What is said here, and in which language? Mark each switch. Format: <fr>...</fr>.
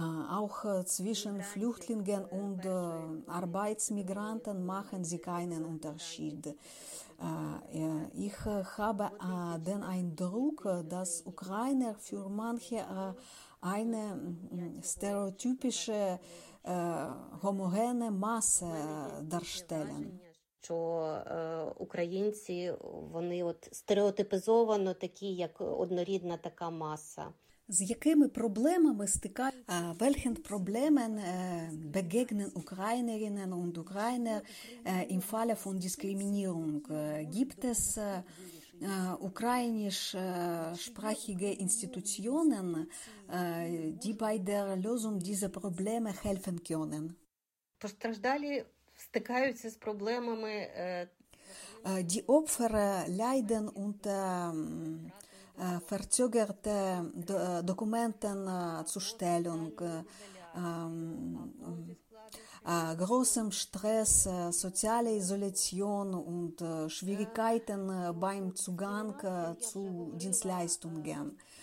<de>Auch zwischen Flüchtlingen und Arbeitsmigranten machen sie keinen Unterschied. Ich habe den Eindruck, dass Ukrainer für manche eine stereotypische, homogene Masse darstellen.</de> <uk>Що українці, вони от стереотипізовано такі, як однорідна така маса. З якими проблемами стикаються,</uk> <de>welchen Problemen begegnen Ukrainerinnen und Ukrainer im Falle von Diskriminierung? Gibt es ukrainischsprachige Institutionen, die bei der Lösung dieser Probleme helfen können?</de> <uk>Постраждалі стикаються з проблемами.</uk> <de>Die Opfer leiden unter verzögerte Dokumentenzustellung, großem Stress, soziale Isolation und Schwierigkeiten beim Zugang zu Dienstleistungen.</de>